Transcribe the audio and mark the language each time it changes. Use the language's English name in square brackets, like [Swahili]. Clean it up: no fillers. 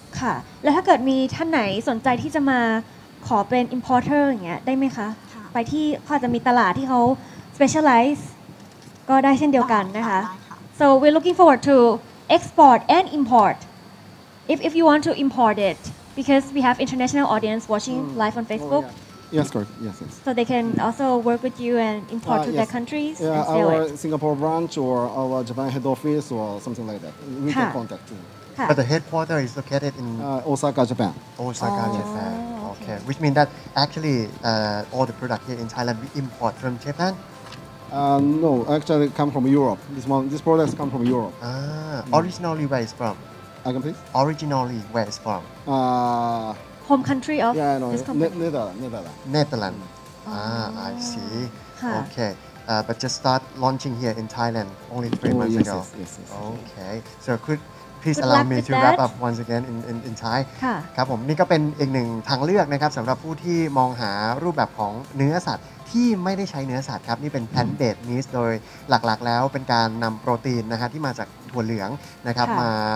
[Thai] ค่ะแล้วถ้าเกิดมีท่านไหนสนใจที่จะมาขอเป็น importer อย่างเงี้ยได้ไหมคะไปที่เขาจะมีตลาดที่เขา specialize ก็ได้เช่นเดียวกันนะคะ [English] so we're looking forward to export and import if you want to import it because we have international audience watching live on Facebook yes correct yes so they can also work with you and import to their countries yeah our Singapore branch or our Japan head office or something like that we can contact you but the headquarters is located in Osaka Japan Osaka Japan. Okay. Which means that actually all the product here in Thailand we import from Japan? No, actually come from Europe. This product come from Europe. Originally where it's from? I can please? Originally where it's from? Home country of this company? Netherlands. I see. Okay. But just start launching here in Thailand only 3 months ago. Yes. Okay. So could please allow me to wrap up once again in Thai [Thai] ครับผมนี่ก็เป็นอีกหนึ่งทางเลือกนะครับสำหรับผู้ที่มองหารูปแบบของเนื้อสัตว์ที่ไม่ได้ใช้เนื้อสัตว์ครับนี่เป็น plant-based meat โดยหลักๆแล้วเป็นการนำโปรตีนนะฮะที่มาจากถั่วเหลืองนะครับมา